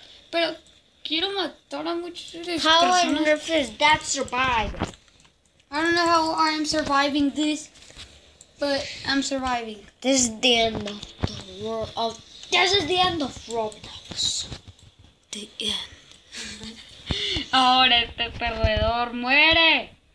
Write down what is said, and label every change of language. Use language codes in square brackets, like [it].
[es] Pero quiero matar a muchas personas. [en] How on earth is that survive? I don't know how I'm surviving this, but I'm surviving. This is the end of the world of... This is the end of Roblox. The end. [es] Ahora este perdedor muere.